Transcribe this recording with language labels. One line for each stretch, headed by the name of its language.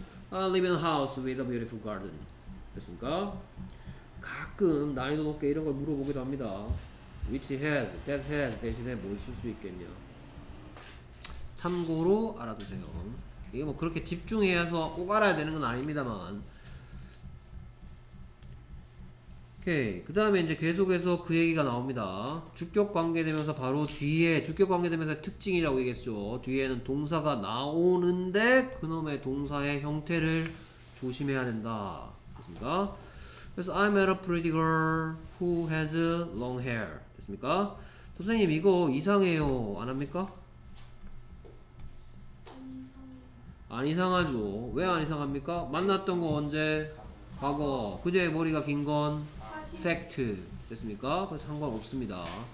English: I live in a house with a beautiful garden.
Korean: 됐습니까? 가끔 난이도 높게 이런 걸 물어보기도 합니다. which has, that has 대신에 뭘 쓸 수 있겠냐. 참고로 알아두세요. 이게 뭐 그렇게 집중해서 꼭 알아야 되는 건 아닙니다만. 오케이, 그 다음에 이제 계속해서 그 얘기가 나옵니다. 주격 관계되면서 바로 뒤에 주격 관계되면서 특징이라고 얘기했죠. 뒤에는 동사가 나오는데 그놈의 동사의 형태를 조심해야 된다. 됐습니까? 그래서
English: I met a pretty girl who has long hair.
Korean: 됐습니까? 선생님 이거 이상해요 안 합니까? 안 이상하죠. 왜 안 이상합니까? 만났던 거 언제? 과거. 그제 머리가 긴 건? 팩트. 됐습니까? 그래서 상관없습니다.